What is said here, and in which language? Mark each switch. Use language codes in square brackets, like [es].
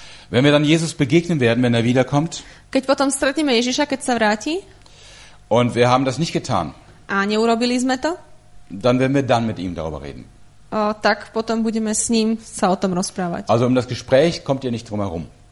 [de] Wenn wir dann Jesus begegnen werden, wenn er wiederkommt. [sk] Keď potom stretneme Ježiša, keď sa vráti. [de] Und wir haben das nicht getan. [sk] A neurobili sme to? [de] Dann werden wir dann mit ihm darüber reden. [sk] Tak potom budeme s ním sa o tom rozprávať. [de] Also um das Gespräch kommt ihr nicht drum herum.